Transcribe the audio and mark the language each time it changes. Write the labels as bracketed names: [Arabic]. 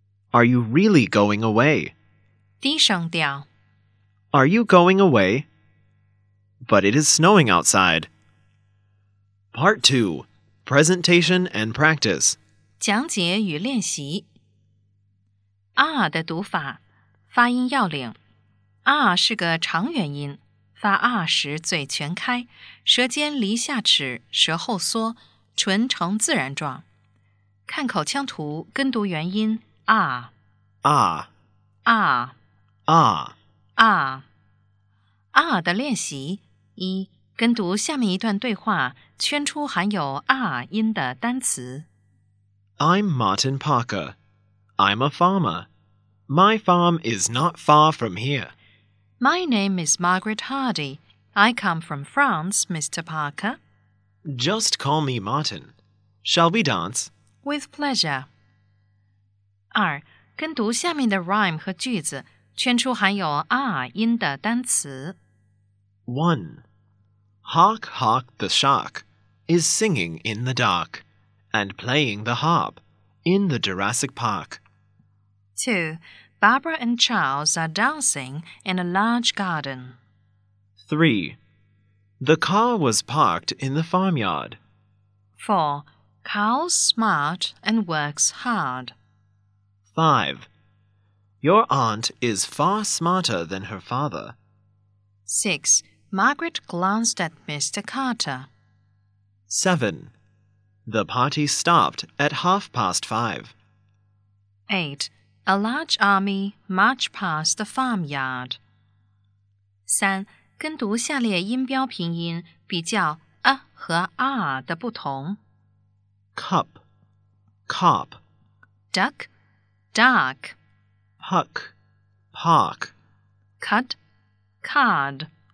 [English] Are you really going away? [Chinese] 低声调 [English] Are you going away? But it is snowing outside. Part 2 Presentation and Practice [Chinese] 讲解与练习 R 的读法发音要领 R 是个长元音发 R 时嘴全开，舌尖离下齿，舌后缩，唇呈自然状。看口腔图，跟读元音 R。 R。 R。 R。 R。 R 的练习：一、跟读下面一段对话，圈出含有 R 音的单词。 [English] I'm Martin Parker. I'm a farmer. My farm is not far from here. My name is Margaret Hardy. I come from France, Mr. Parker. Just call me Martin. Shall we dance? With pleasure. [Chinese] 二，跟读下面的 rhyme 和句子，圈出含有 R 音的单词。 [English] One. Hark, hark, the shark is singing in the dark and playing the harp in the Jurassic Park. Two. Barbara and Charles are dancing in a large garden. 3. The car was parked in the farmyard. 4. Cows smart and works hard. 5. Your aunt is far smarter than her father. 6. Margaret glanced at Mr. Carter. 7. The party stopped at 5:30. 8. A large army marched past the farmyard. [Chinese] 三，跟读下列音标平音，比较 a 和 r 的不同。 [English] Cup, cop. Duck, duck. Puck, park. Cut, card.